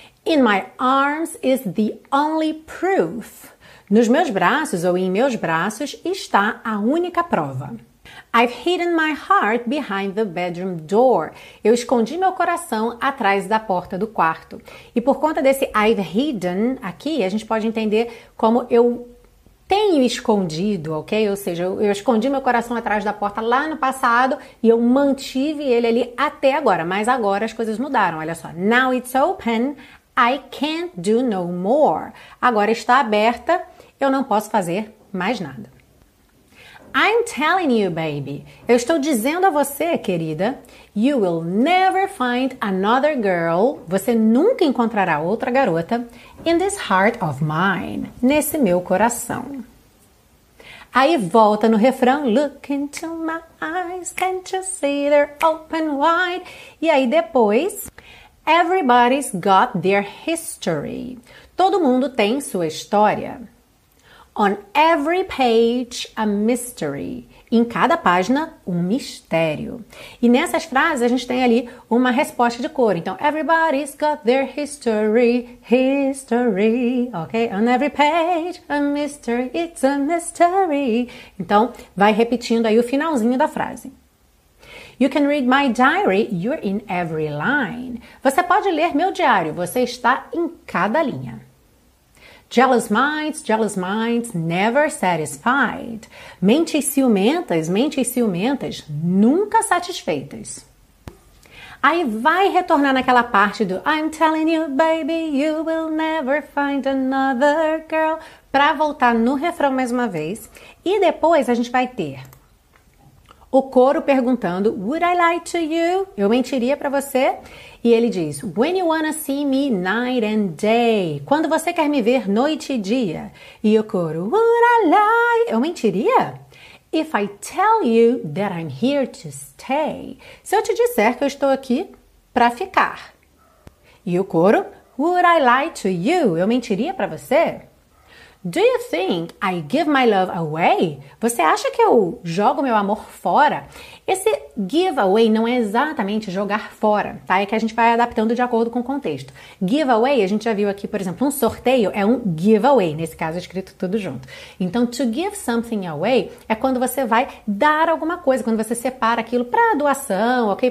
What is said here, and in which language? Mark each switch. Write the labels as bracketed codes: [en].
[en] In my arms is the only proof. [pt] Nos meus braços ou em meus braços está a única prova. [en] I've hidden my heart behind the bedroom door. [pt] Eu escondi meu coração atrás da porta do quarto. E por conta desse [en] I've hidden [pt] aqui, a gente pode entender como eu tenho escondido, ok? Ou seja, eu escondi meu coração atrás da porta lá no passado e eu mantive ele ali até agora. Mas agora as coisas mudaram, olha só. [en] Now it's open, I can't do no more. [pt] Agora está aberta, eu não posso fazer mais nada. [en] I'm telling you, baby. [pt] Eu estou dizendo a você, querida. [en] You will never find another girl. [pt] Você nunca encontrará outra garota. [en] In this heart of mine. [pt] Nesse meu coração. Aí volta no refrão. [en] Look into my eyes. Can't you see they're open wide? [pt] E aí depois. [en] Everybody's got their history. [pt] Todo mundo tem sua história. [en] On every page, a mystery. [pt] Em cada página, um mistério. E nessas frases, a gente tem ali uma resposta de coro. Então, [en] everybody's got their history, history, [pt] ok? [en] On every page, a mystery, it's a mystery. [pt] Então, vai repetindo aí o finalzinho da frase. [en] You can read my diary, you're in every line. [pt] Você pode ler meu diário, você está em cada linha. [en] Jealous minds, never satisfied. [pt] Mentes ciumentas, nunca satisfeitas. Aí vai retornar naquela parte do [en] I'm telling you, baby, you will never find another girl. [pt] Pra voltar no refrão mais uma vez. E depois a gente vai ter o coro perguntando, [en] would I lie to you? [pt] Eu mentiria pra você? E ele diz, [en] when you wanna see me night and day? [pt] Quando você quer me ver noite e dia? E o coro, [en] would I lie? [pt] Eu mentiria? [en] If I tell you that I'm here to stay? [pt] Se eu te disser que eu estou aqui pra ficar. E o coro, [en] would I lie to you? [pt] Eu mentiria pra você? [en] Do you think I give my love away? [pt] Você acha que eu jogo meu amor fora? Esse [en] give away [pt] não é exatamente jogar fora, tá? É que a gente vai adaptando de acordo com o contexto. [en] Give away, [pt] a gente já viu aqui, por exemplo, um sorteio é um give away. Nesse caso, é escrito tudo junto. Então, to give something away é quando você vai dar alguma coisa, quando você separa aquilo para doação, ok?